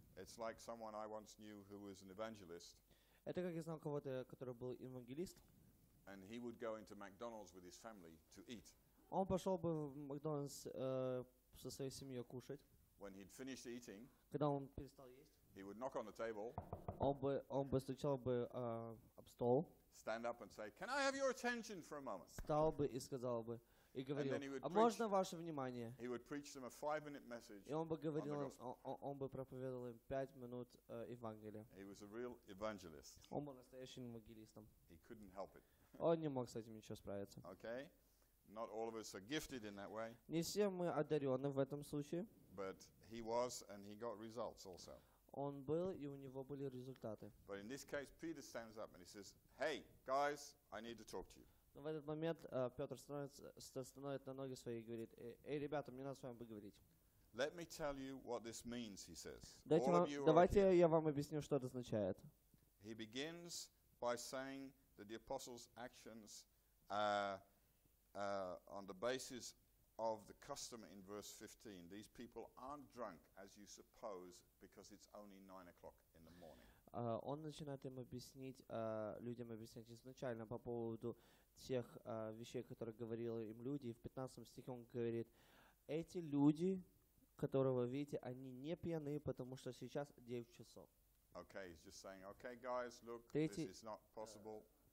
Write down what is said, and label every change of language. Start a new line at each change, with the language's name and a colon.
English: It's like someone I once knew who was an evangelist.
Russian: Это как я знал кого-то, который был евангелист.
English: And he would go into McDonald's with his family to eat.
Russian: Он пошел бы в Макдональдс со своей семьей кушать.
English: When he'd finished eating,
Russian: когда он перестал есть,
English: he would knock on the table,
Russian: он бы стучал бы об стол,
English: stand up and say, "Can I have your attention for a moment?"
Russian: Встал бы и сказал бы, и говорил,
English: and then he would
Russian: а можно ваше внимание?
English: He would preach them a 5-minute message.
Russian: И он бы говорил, он бы проповедовал им 5 минут Евангелия.
English: He was a real evangelist.
Russian: Он был настоящим евангелистом.
English: He couldn't help it.
Russian: Он не мог с этим ничего справиться.
English: Okay. Not all of us are gifted in that way.
Russian: Не все мы одарены в этом случае.
English: But he was, and he got results also.
Russian: Он был, и у него были результаты.
English: But in this case, Peter stands up and he says, "Hey, guys, I need to talk to you."
Russian: Но в этот момент Петр становится на ноги свои и говорит: "Эй, ребята, мне надо с вами поговорить."
English: Let me tell you what this means, he says.
Russian: Давайте я вам объясню, что это означает.
English: He begins by saying that the apostles' actions on the basis of the custom in verse 15. These people aren't drunk, as you suppose, because it's only 9 o'clock in the morning.
Russian: Он начинает им объяснить, людям объяснять изначально по поводу тех вещей, которые говорили им люди. И в 15 стихе он говорит, эти люди, которые вы видите, они не пьяны, потому что сейчас 9 часов.
English: Okay, he's just saying, okay, guys, look, this is not possible.